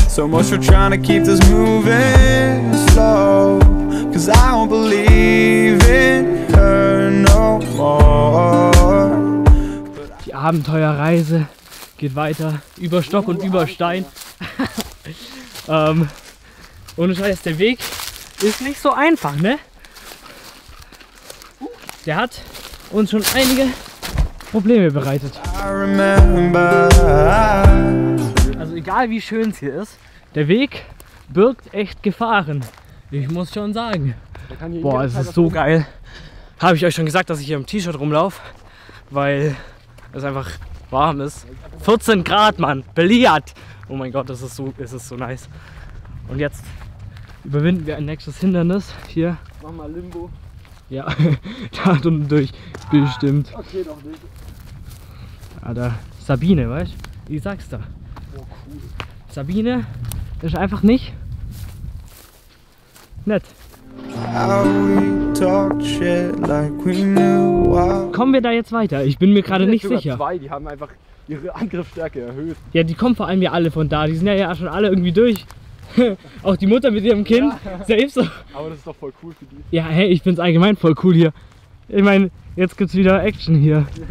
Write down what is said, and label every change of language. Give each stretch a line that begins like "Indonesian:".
English: So much for trying to keep this moving slow. Cause I won't believe in her no more.
German: Die Abenteuerreise geht weiter. Über Stock und über Stein. Ohne Scheiß, der Weg ist nicht so einfach, ne? Der hat uns schon einige Probleme bereitet. Also egal wie schön es hier ist, der Weg birgt echt Gefahren. Ich muss schon sagen. Boah, es ist so geil. Habe ich euch schon gesagt, dass ich hier im T-Shirt rumlaufe, weil es einfach warm ist. 14 Grad, Mann, beliert. Oh mein Gott, das ist so nice. Und jetzt überwinden wir ein nächstes Hindernis hier. Mach mal Limbo. Ja, da unten durch, bestimmt. Okay, doch nicht. Alter, Sabine, weißt du? Ich sag's da. Oh, cool. Sabine ist einfach nicht nett.
English: How we talk shit like we knew.
German: Kommen wir da jetzt weiter? Ich bin mir gerade nicht sicher. Zwei, die haben einfach ihre Angriffsstärke erhöht. Ja, die kommen vor allem ja alle von da. Die sind ja schon alle irgendwie durch. Auch die Mutter mit ihrem Kind, ja. Selbst so. Aber das ist doch voll cool für die. Ja, hey, ich find's allgemein voll cool hier. Ich meine, jetzt gibt's wieder Action hier.